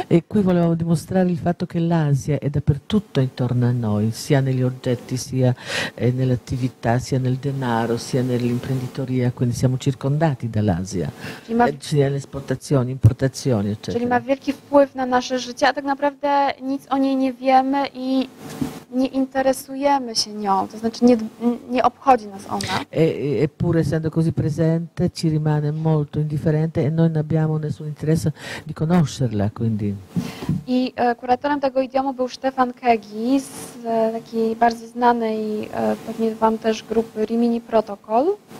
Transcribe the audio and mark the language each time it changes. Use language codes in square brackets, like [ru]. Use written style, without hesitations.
[it] E qui volevamo dimostrare il fatto che l'Asia è dappertutto intorno a noi, sia negli oggetti, sia nell'attività, sia nel denaro, sia nell'imprenditoria, quindi siamo circondati dall'Asia, sia nelle esportazioni, importazioni, eccetera. [pl] Czyli ma wielki wpływ na nasze życie, a tak naprawdę nic o niej nie wiemy i nie interesujemy się nią, to znaczy nie obchodzi nas ona. [it] Eppure essendo così presente ci rimane molto indifferente e noi non abbiamo nessun interesse di conoscerla, quindi. [pl] I kuratorem tego idiomu był Stefan Kegi z takiej bardzo znanej pewnie wam też grupy Rimini Protocol.